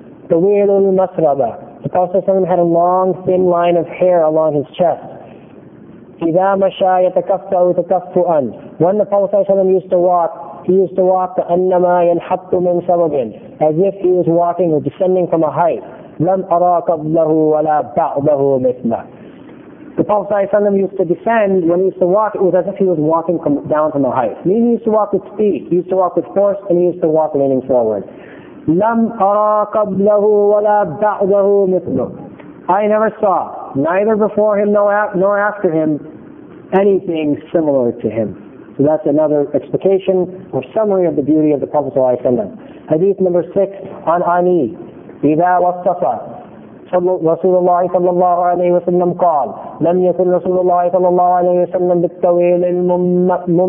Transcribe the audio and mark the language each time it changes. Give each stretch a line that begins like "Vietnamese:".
Arabic: طويل المسربة.
English: The Prophet had a long, thin line of hair along his chest.
Arabic: إذا مشى يتكفأ تكفؤاً.
English: When the Prophet used to walk, he used to walk
Arabic: كأنما ينحط من سببٍ,
English: as if he was walking or descending from a height.
Arabic: لم أرى قبله ولا بعده مثله.
English: The Prophet used to descend, when he used to walk, it was as if he was walking down from a height. Meaning he used to walk with speed, he used to walk with force, and he used to walk leaning forward.
Arabic: لَمْ أَرَى قَبْلَهُ وَلَا بَعْدَهُ مِثْلُ.
English: I never saw, neither before him nor after him, anything similar to him. So that's another explication or summary of the beauty of the Prophet ﷺ. Hadith number 6,
Arabic: عن عني, إِذَا وَصَّفَ رسول الله صلى الله عليه وسلم قال لم يكن رسول الله صلى الله عليه وسلم بالطويل الممغط.